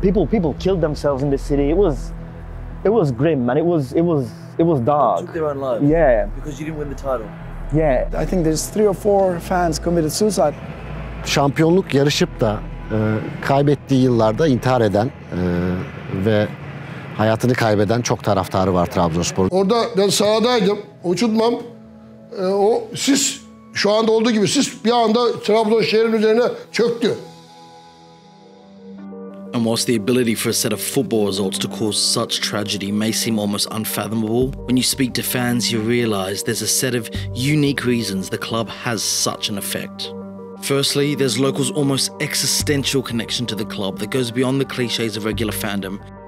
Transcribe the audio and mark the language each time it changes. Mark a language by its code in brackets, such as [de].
[en] People killed themselves in the city. It was grim, man. It was dark. They took their own lives. Yeah. Because you didn't win the title. Yeah. I think there's three or four fans committed suicide. [tr] Şampiyonluk yarışıp da kaybettiği yıllarda intihar eden ve hayatını kaybeden çok taraftarı var Trabzonspor'un. Orada ben sahadaydım, uçutmam. O sis, şu anda olduğu gibi sis bir anda Trabzon şehrin üzerine çöktü. [en] And whilst the ability for a set of football results to cause such tragedy may seem almost unfathomable, when you speak to fans, you realize there's a set of unique reasons the club has such an effect. Firstly, there's locals' almost existential connection to the club that goes beyond the cliches of regular fandom.